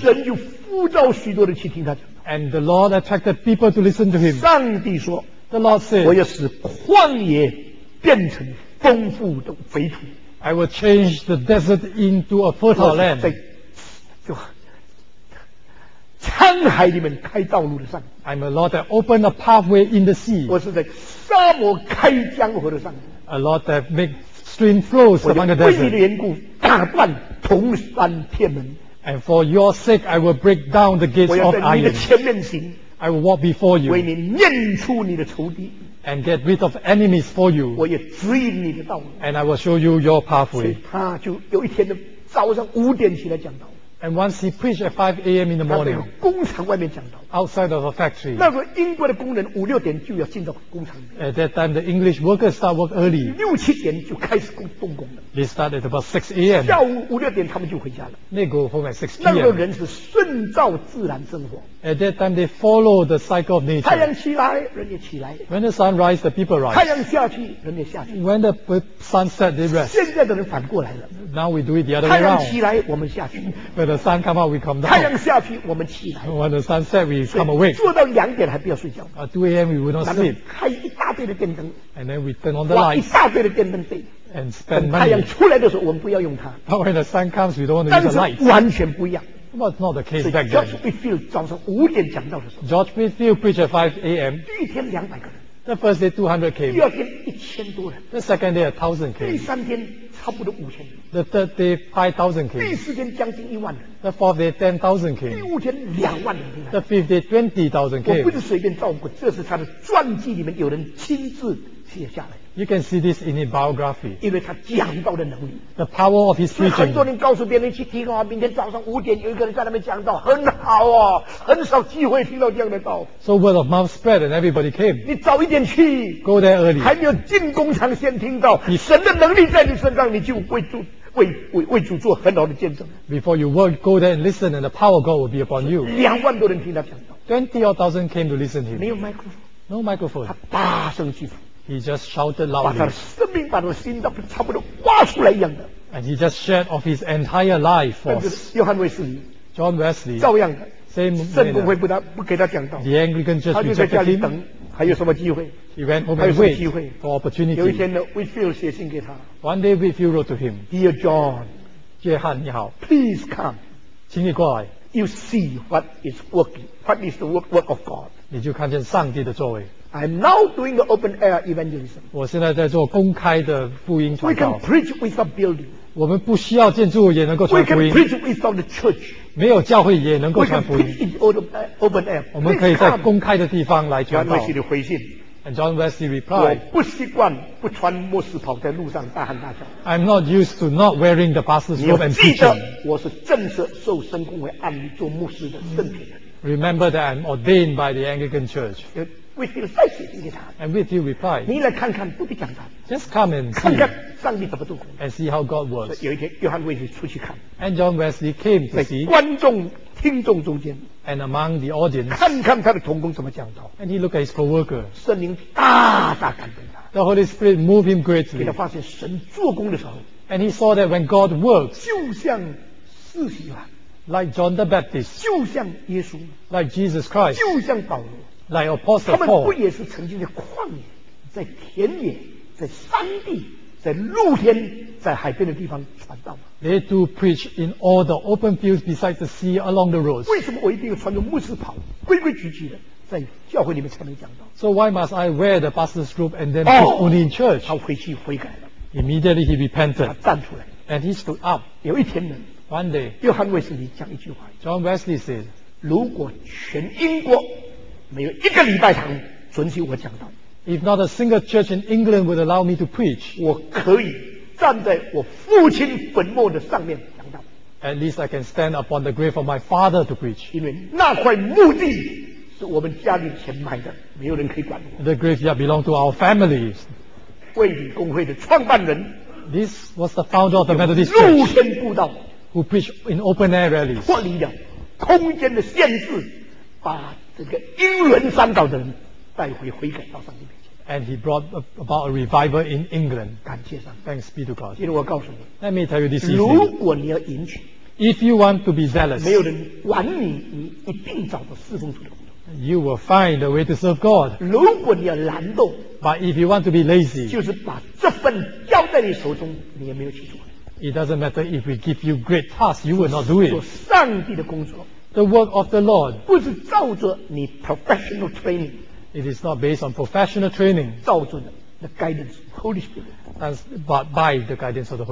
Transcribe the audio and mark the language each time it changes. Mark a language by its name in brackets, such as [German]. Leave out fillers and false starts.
[Chinese] 神就呼召许多人去听他讲道。 [English] And the Lord attracted people to listen to him. [Chinese] 上帝说。 [English] The Lord said. [Chinese] 我要使旷野变成丰富的肥土。 [English] I will change the desert into a fertile land. [Chinese] 在就沧海里面开道路的上帝。 [English] I'm a Lord that opened a pathway in the sea. [Chinese] 我是在沙漠开江河的上帝。 [English] A Lord that make stream flows among the desert. [Chinese] 为你的缘故打断铜山铁门。 [English] And for your sake, I will break down the gates of iron. [Chinese] 我要在你的前面行。 [English] I will walk before you. [Chinese] 为你撵出你的仇敌。 [English] And get rid of enemies for you. [Chinese] 我也指引你的道路。 [English] And I will show you your pathway. [Chinese] 他就有一天的早上五点起来讲道。 [English] And once he preached at 5 a.m. in the morning. [Chinese] 他在工厂外面讲道。 [English] Outside of a factory. [Chinese] 那个英国的工人五六点就要进到工厂里。 [English] At that time, the English workers start work early. [Chinese] 六七点就开始动工了。 [English] They start at about 6 a.m. [Chinese] 下午五六点他们就回家了。 [English] They go home at 6 p.m. [Chinese] 那个人是顺照自然生活。 [English] At that time, they follow the cycle of nature. [Chinese] 太阳起来，人也起来。 [English] When the sun rises, the people rise. [Chinese] 太阳下去，人也下去。 [English] When the sun sets, they rest. [Chinese] 现在的人反过来了。 [English] Now we do it the other way around. [Chinese] 太阳起来，我们下去。 [English] When the sun comes out, we come down. [Chinese] 太阳下去，我们起来。 [English] When the sun sets, we come awake. [Chinese] 坐到两点还不要睡觉。 [English] At 2 a.m. we will not sleep. [Chinese] 开一大堆的电灯。 [English] And then we turn on the lights. [Chinese] 一大堆的电灯费。 [English] And spend money. [Chinese] 等太阳出来的时候，我们不要用它。 [English] But when the sun comes, we don't want to use the lights. [Chinese] 但是完全不一样。 [English] But not the case back then. [Chinese] George Whitfield 早上五点讲到的时候。 [English] George Whitfield preached at 5 a.m. [Chinese] 第一天两百个人。 [English] The first day 200 came. [Chinese] 第二天一千多人。 [English] The second day 1,000 came. [Chinese] 第三天差不多五千人。 [English] The third day 5,000 came. [Chinese] 第四天将近一万人。 [English] The fourth day 10,000 came. [Chinese] 第五天两万人。 [English] The fifth day 20,000 came. [Chinese] 我不是随便造过，这是他的传记里面有人亲自写下来。 [English] You can see this in his biography. [Chinese] 因为他讲道的能力。 [English] The power of his preaching. [Chinese] 所以很多人告诉别人去听啊，明天早上五点有一个人在那边讲道，很好啊，很少机会听到这样的道。 [English] So word of mouth spread and everybody came. [Chinese] 你早一点去。 [English] Go there early. [Chinese] 还没有进工厂先听到，你神的能力在你身上，你就为主做很好的见证。 [English] Before you work, go there and listen, and the power of God will be upon you. [Chinese] 两万多人听他讲道。 [English] 20,000 came to listen him. [Chinese] 没有 microphone. [English] No microphone. [Chinese] 他大声去。 [English] He just shouted loudly. [Chinese] 把他的生命，把他的心脏差不多挖出来一样的。 [English] And he just shared of his entire life for us. [Chinese] 约翰威斯理。 [English] John Wesley. [Chinese] 照样的。 [English] Same. [Chinese] 圣公会不给他讲道。 [English] The Anglican Church rejected him. [Chinese] 他就在家里等，还有什么机会？ [English] He went home and waited for opportunity. [Chinese] 有一天呢 ，Whitfield 写信给他。 [English] One day Whitfield wrote to him. Dear John. [Chinese] 约翰你好。 [English] Please come. [Chinese] 请你过来。 [English] You see what is working. What is the work of God? [Chinese] 你就看见上帝的作为。 [English] I'm now doing the open air evangelism. [Chinese] 我现在在做公开的福音传道。 [English] We can preach without building. [Chinese] 我们不需要建筑也能够传福音。 [English] We can preach without the church. [Chinese] 没有教会也能够传福音。 [English] We can preach in open air. [Chinese] 我们可以在公开的地方来传道。 John Wesley 回信。 [English] And John Wesley replied. [Chinese] 我不习惯不穿牧师袍在路上大喊大叫。 [English] I'm not used to not wearing the pastor's robe and preaching. [Chinese] 你要记得，我是正式受圣公会按做牧师的圣体的。 [English] Remember that I'm ordained by the Anglican Church. [Chinese] Whitfield 再写信给他。 [English] And Whitfield replied. [Chinese] 你来看看，不必讲他。 [English] Just come and see. [Chinese] 看看上帝怎么做工。 [English] And see how God works. [Chinese] 有一天，约翰威斯出去看。 [English] And John Wesley came to see. [Chinese] 观众听众中间 [English] and among the audience， [Chinese] 看看他的同工怎么讲道。 [English] And he looked at his co-worker， [Chinese] 圣灵大大感动他。 [English] The Holy Spirit moved him greatly， [Chinese] 给他发现神做工的时候。 [English] And he saw that when God works， [Chinese] 就像施洗约翰。 [English] Like John the Baptist， [Chinese] 就像耶稣。 [English] Like Jesus Christ， [Chinese] 就像保罗。 [English] Like Apostle Paul， [Chinese] 他们不也是曾经在旷野，在田野，在山地，在露天，在海边的地方传道吗？ [English] They do preach in all the open fields beside the sea along the roads。 [Chinese] 为什么我一定要穿着牧师袍，规规矩矩的在教会里面才能讲道？ [English] So why must I wear the pastor's robe and then preach only in church？ [Chinese] 他回去悔改了。 [English] Immediately he repented， [Chinese] 他站出来。 [English] And he stood up。 [Chinese] 有一天呢， [English] One day， [Chinese] 约翰威斯理讲一句话。 [English] John Wesley said， [Chinese] 如果全英国没有一个礼拜堂准许我讲道， [English] If not a single church in England would allow me to preach， [Chinese] 我可以站在我父亲坟墓的上面讲道。 [English] At least I can stand upon the grave of my father to preach。 [Chinese] 因为那块墓地是我们家里钱买的，没有人可以管我。 [English] The graveyard belonged to our families。 [Chinese] 卫理公会的创办人 [English] ，This was the founder of the Methodist Church。 [Chinese] 露天布道 [English] ，Who preached in open air rallies。 [Chinese] 脱离了空间的限制，把这个英伦三岛的人。带回悔改到上帝面前。 [English] And he brought about a revival in England. [Chinese] 感谢上帝。 [English] Thanks be to God. [Chinese] 因为我告诉你， [English] Let me tell you this evening. [Chinese] 如果你要迎娶， [English] If you want to be zealous， [Chinese] 没有人管你，你一定找到侍奉主的工作。 [English] You will find a way to serve God. [Chinese] 如果你要懒惰， [English] But if you want to be lazy， [Chinese] 就是把这份交在你手中，你也没有去做。 [English] It doesn't matter if we give you great tasks， you will not do it. [Chinese] 做上帝的工作， [English] The work of the Lord， [Chinese] 不是照着你 [English] professional training。 It is not based on professional training. [Chinese] 照着 [English] the guidance of the Holy Spirit. As, but by the guidance of the Holy Spirit.